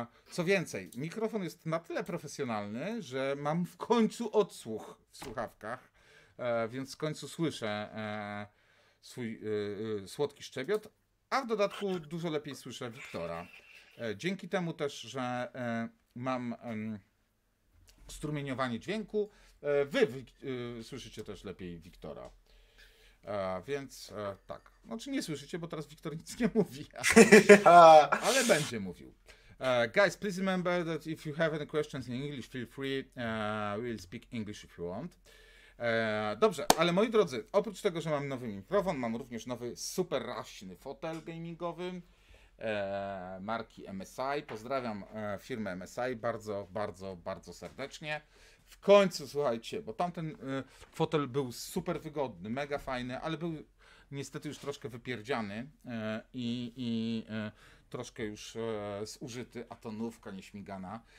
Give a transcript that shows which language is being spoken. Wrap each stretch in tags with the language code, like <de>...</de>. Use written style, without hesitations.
<pl>Co więcej, mikrofon jest na tyle profesjonalny, że mam w końcu odsłuch w słuchawkach, więc w końcu słyszę swój słodki szczebiot, a w dodatku dużo lepiej słyszę Wiktora. Dzięki temu też, że mam strumieniowanie dźwięku, Wy słyszycie też lepiej Wiktora. Więc tak. Znaczy nie słyszycie, bo teraz Wiktor nic nie mówi. Ale będzie mówił.</pl> <en>Guys, please remember that if you have any questions in English, feel free. We'll speak English if you want.</en> <pl>Dobrze, ale moi drodzy, oprócz tego, że mam nowy mikrofon, mam również nowy super raśny fotel gamingowy marki MSI. Pozdrawiam firmę MSI bardzo, bardzo, bardzo serdecznie. W końcu, słuchajcie, bo tamten fotel był super wygodny, mega fajny, ale był niestety już troszkę wypierdziany i troszkę już zużyty, a to nówka nieśmigana.</pl>